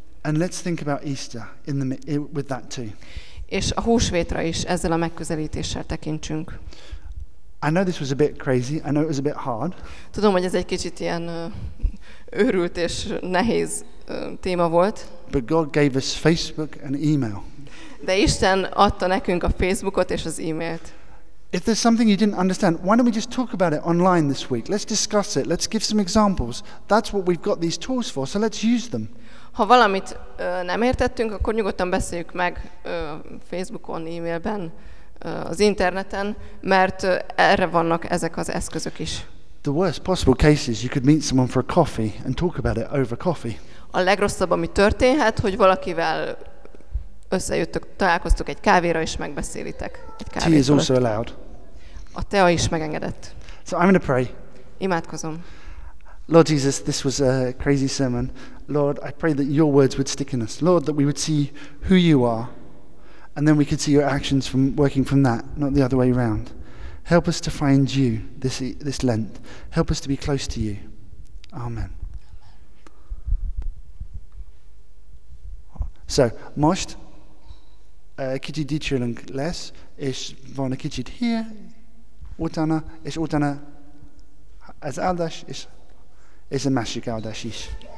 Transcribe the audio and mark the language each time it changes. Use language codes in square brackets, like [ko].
[en] And let's think about Easter with that too. [hu] És a húsvétra is ezzel a megközelítéssel tekintsünk. [en] I know this was a bit crazy. I know it was a bit hard. [hu] Tudom, hogy ez egy kicsit ilyen őrült és nehéz téma volt. [en] But God gave us Facebook and email. [hu] De Isten adta nekünk a Facebookot és az e-mailt. [en] If there's something you didn't understand, why don't we just talk about it online this week? Let's discuss it. Let's give some examples. That's what we've got these tools for. So let's use them. [hu] Ha valamit nem értettünk, akkor nyugodtan beszéljük meg Facebookon, e-mailben, az interneten, mert erre vannak ezek az eszközök is. [en] The worst possible case is you could meet someone for a coffee and talk about it over coffee. [hu] A legrosszabb, ami történhet, hogy valakivel összejöttök, találkoztok egy kávéra és megbeszélitek. [en] Tea is also allowed. [hu] A tea is megengedett. [en] So I'm going to pray. [hu] Imádkozom. [en] Lord Jesus, this was a crazy sermon. Lord, I pray that your words would stick in us. Lord, that we would see who you are, and then we could see your actions from working from that, not the other way around. Help us to find you this Lent. Help us to be close to you. Amen. [hu] So, most kicsit dicsőlünk lesz, és van egy kicsit hír, utána, és utána az áldás, és a másik áldás is.